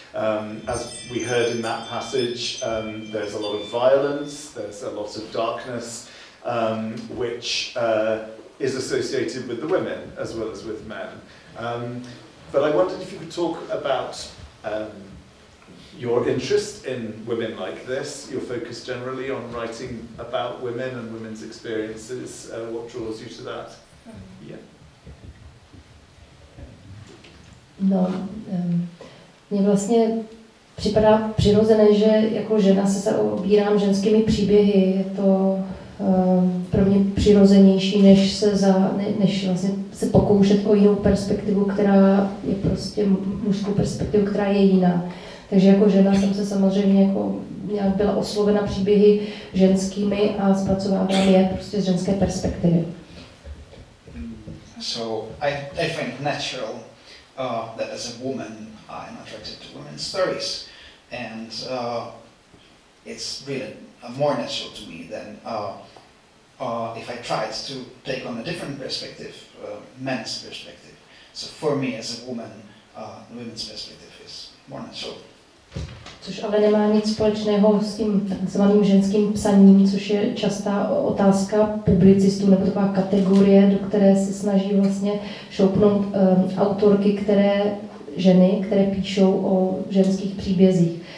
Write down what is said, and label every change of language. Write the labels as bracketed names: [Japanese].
[English] As we heard in that passage, there's a lot of violence, there's a lot of darkness, which is associated with the women as well as with men. But I wondered if you could talk about your interest in women like this, your focus generally on writing about women and women's experiences, what draws you to that? Mm-hmm. Yeah. [Czech] No, mě vlastně připadá přirozené, že jako žena se zaobírám ženskými příběhy, je to pro mě přirozenější, než vlastně se pokoušet o jinou perspektivu, která je prostě mužskou perspektivu, která je jiná. Takže jako žena jsem se samozřejmě jako nějak byla oslovena příběhy ženskými a zpracovávám je prostě z ženské perspektivy. [English] So I find natural that as a woman I'm attracted to women's stories and it's really more natural to me than if I tried to take on a different perspective, men's perspective. So for me as a woman, women's perspective is more natural. [Czech] Což ale nemá nic společného s tím takzvaným ženským psaním, což je častá otázka publicistů, nebo taková kategorie, do které se snaží vlastně šoupnout autorky, které ženy, které píšou o ženských příbězích.